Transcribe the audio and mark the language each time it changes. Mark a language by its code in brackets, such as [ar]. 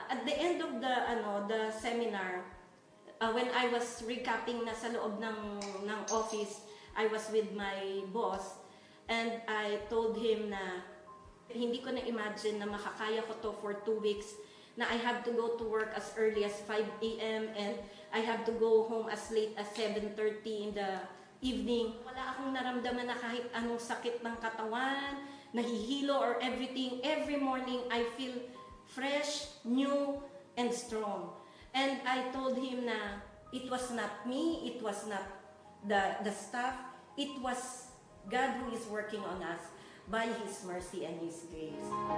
[en] At the end of the seminar, when I was recapping na [tl] sa loob ng [en] office, I was with my boss, and I told him [tl] na hindi ko na imagine na makakaya ko to [en] for 2 weeks, na I have to go to work as early as 5 a.m. and I have to go home as late as 7:30 in the evening. [tl] Wala akong naramdaman na kahit anong sakit ng katawan, nahihilo or everything. [en] Every morning, I feel fresh, new, and strong. And I told him na It was not me. It was not the staff. It was God who is working on us by His mercy and His grace.